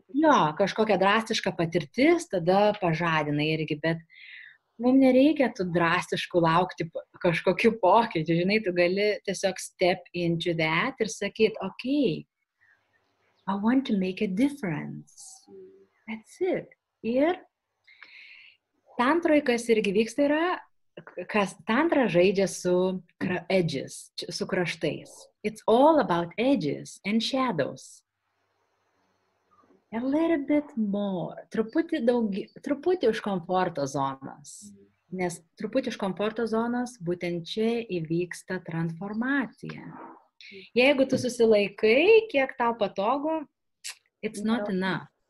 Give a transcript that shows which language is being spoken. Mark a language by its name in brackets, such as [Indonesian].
[Lithuanian] Jo, kažkokia drastiška patirtis, tada pažadina irgi, bet mums nereikia tų drastiškų laukti kažkokių pokyčių, žinai, tu gali tiesiog [English] step into that [Lithuanian] ir sakyt, [English] ok, I want to make a difference. That's it. [Lithuanian] Ir tantroj, kas irgi vyksta, yra, kas tantra žaidžia su edges, su kraštais. [English] It's all about edges and shadows. A little bit more. [Lithuanian] Truputį už komforto zonas. Nes truputį už komforto zonas, būtent čia įvyksta transformacija. Jeigu tu susilaikai, kiek tau patogu, [English] it's not enough.